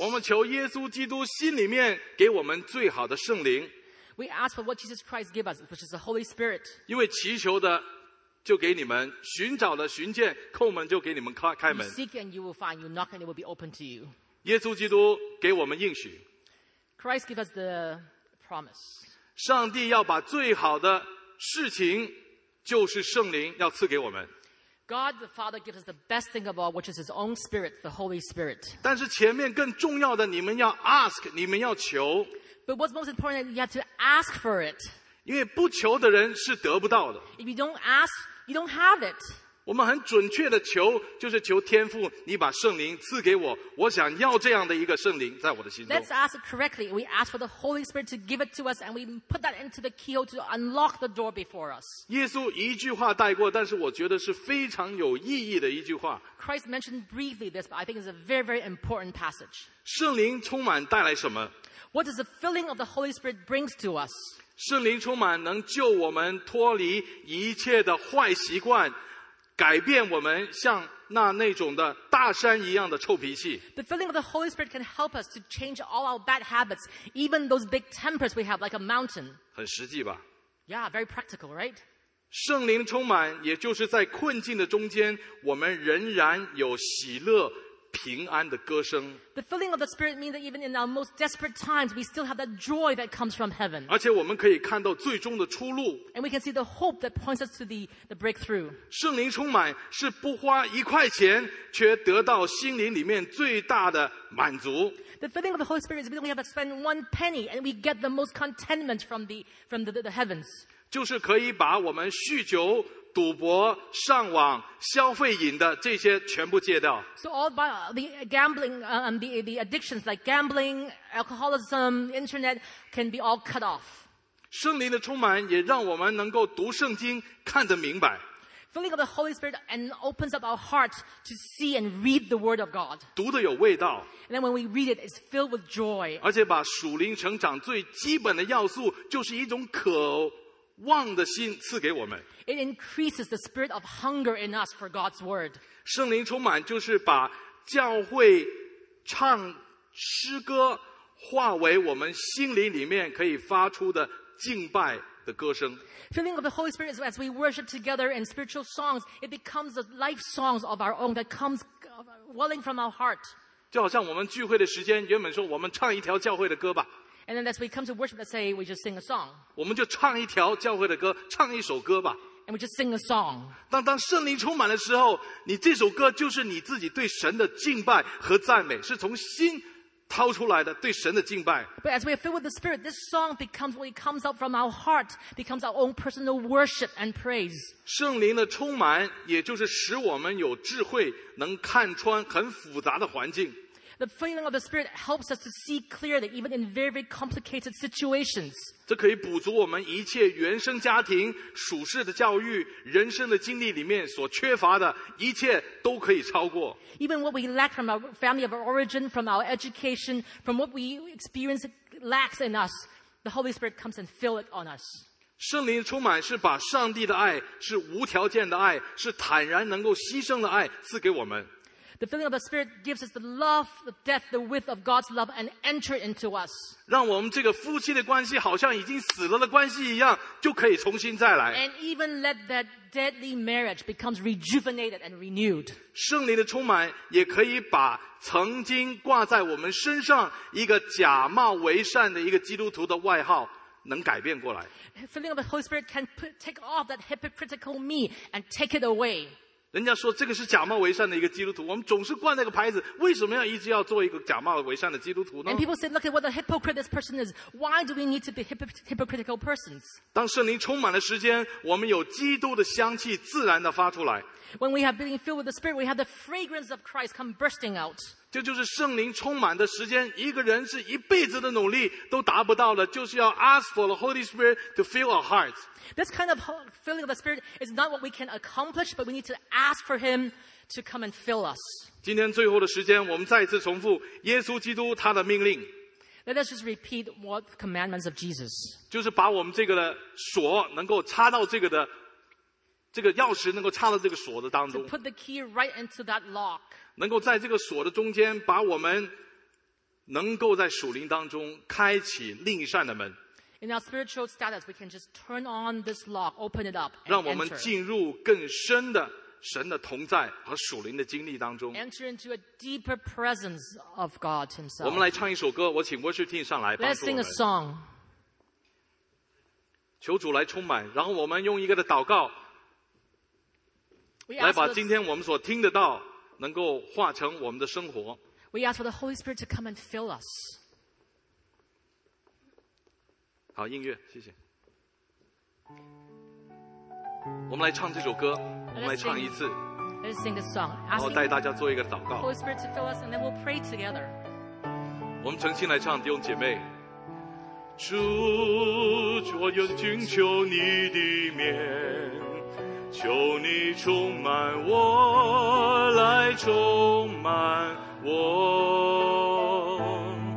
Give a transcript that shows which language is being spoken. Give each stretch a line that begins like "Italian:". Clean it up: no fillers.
Chinese: 我们求耶稣基督心里面给我们最好的圣灵。
English: We ask for what Jesus Christ gives us, which is the Holy Spirit.
Chinese: 因为祈求的就给你们，寻找的寻见，叩门就给你们开门。
English: You seek and you will find, you knock and it will be open to you.
Chinese: 耶稣基督给我们应许。
English: Christ gives us the promise.
Chinese: 上帝要把最好的事情，就是圣灵，要赐给我们。
English: God the Father gives us the best thing of all, which is His own Spirit, the Holy Spirit.
Chinese: 但是前面更重要的，你们要
English: ask,
Chinese: 你们要求。
English: But what's most important, you have to ask for it.
Chinese: 因为不求的人是得不到的。
English: If you don't ask, you don't have it.
Chinese: 我们很准确的求，就是求天父，你把圣灵赐给我，我想要这样的一个圣灵在我的心中。
English: Let's ask correctly. We ask for the Holy Spirit to give it to us, and we put that into the keyhole to unlock the door before us.
Chinese: 耶稣一句话带过，但是我觉得是非常有意义的一句话。
English: Christ mentioned briefly this, but I think it's a very, very important passage.
Chinese: 圣灵充满带来什么？
English: What does the filling of the Holy Spirit bring to us?
Chinese: 圣灵充满能救我们脱离一切的坏习惯，改变我们像那种的大山一样的臭脾气。
English: The filling of the Holy Spirit can help us to change all our bad habits, even those big tempers we have like a mountain.
Chinese: 很实际吧？
English: Yeah, very practical, right?
Chinese: 圣灵充满也就是在困境的中间，我们仍然有喜乐平安的歌声。
English: The filling of the Spirit means that even in our most desperate times, we still have that joy that comes from heaven.
Chinese: 而且我们可以看到最终的出路。
English: And we can see the hope that points us to the breakthrough.
Chinese: 圣灵充满是不花一块钱，却得到心灵里面最大的满足。
English: The filling of the Holy Spirit is we don't have to spend one penny, and we get the most contentment from the heavens.
Chinese: 就是可以把我们酗酒、赌博、上网、消费瘾的这些全部戒掉。
English: So all by the gambling, the addictions like gambling, alcoholism, internet can be all cut off.
Chinese: 圣灵的充满也让我们能够读圣经看得明白。
English: Filling of the Holy Spirit and opens up our hearts to see and read the Word of God.
Chinese: 读得有味道。
English: And then when we read it, it's filled with joy.
Chinese: 而且把属灵成长最基本的要素就是一种渴望的心赐给我们。
English: It increases the spirit of hunger in us for God's word.
Chinese: 圣灵充满就是把教会唱诗歌化为我们心灵里面可以发出的敬拜的歌声。
English: Filling of the Holy Spirit is as we worship together in spiritual songs, it becomes the life songs of our own that comes welling from our heart.
Chinese: 就好像我们聚会的时间，原本说我们唱一条教会的歌吧。
English: And then as we come to worship, let's say we just sing a song.
Chinese: 我们就唱一条教会的歌，唱一首歌吧。
English: And we just sing a song.
Chinese: 当圣灵充满的时候，你这首歌就是你自己对神的敬拜和赞美，是从心掏出来的对神的敬拜。
English: But as we are filled with the Spirit, this song becomes what comes out from our heart, becomes our own personal worship and praise.
Chinese: 圣灵的充满也就是使我们有智慧，能看穿很复杂的环境。
English: The filling of the Spirit helps us to see clearly, even in very, very complicated situations.
Chinese: 这可以补足我们一切原生家庭、属世的教育、人生的经历里面所缺乏的，一切都可以超过。
English: Even what we lack from our family of origin, from our education, from what we experience lacks in us, the Holy Spirit comes and fills it on us.
Chinese: 圣灵充满是把上帝的爱，是无条件的爱，是坦然能够牺牲的爱赐给我们。
English: The filling of the Spirit gives us the love, the depth, the width of God's love and enter into us.
Chinese: 让我们这个夫妻的关系好像已经死了的关系一样，就可以重新再来。
English: And even let that deadly marriage becomes rejuvenated and renewed.
Chinese: 圣灵的充满也可以把曾经挂在我们身上一个假冒为善的一个基督徒的外号能改变过来。
English: Filling of the Holy Spirit can take off that hypocritical me and take it away.
Chinese: 人家说这个是假冒为善的一个基督徒，我们总是挂那个牌子，为什么要一直要做一个假冒为善的基督徒呢？
English: And people say, look at what a hypocrite this person is. Why do we need to be hypocritical persons?
Chinese: 当圣灵充满了时间，我们有基督的香气自然地发出来。
English: When we have been filled with the Spirit, we have the fragrance of Christ come bursting out.
Chinese: 这就是圣灵充满的时间，一个人是一辈子的努力都达不到的，就是要
English: ask for the Holy Spirit to fill our hearts. This kind of filling of the Spirit is not what we can accomplish, but we need to ask for Him to come and fill us.
Chinese: 今天最后的时间，我们再一次重复耶稣基督他的命令。
English: Let us just repeat what commandments of Jesus.
Chinese: 就是把我们这个的锁能够插到这个的这个钥匙能够插到这个锁的当中。
English: To put the key right into that lock.
Chinese: 能够在这个锁的中间把我们能够在属灵当中开启另一扇的门。
English: In our spiritual status, we can just turn on this lock, open it up, and enter.
Chinese: 让我们进入更深的神的同在和属灵的经历当中。
English: Enter into a deeper presence of God himself.
Chinese: 我们来唱一首歌，我请
English: worship team
Chinese: 上来帮助我们。
English: Let's sing a song.
Chinese: 求主来充满，然后我们用一个的祷告来把今天我们所听得到能够化成我们的生活。
English: We ask for the Holy Spirit to come and fill us.
Chinese: 好，音乐，谢谢。我们来唱这首歌，我们来唱一次。
English: Let's sing this song.
Chinese: 然后带大家做一个祷告。
English: Holy Spirit to fill us, and then we'll pray together.
Chinese: 我们诚心来唱，弟兄姐妹。主，我愿寻求你的面。求你充满我，来充满我。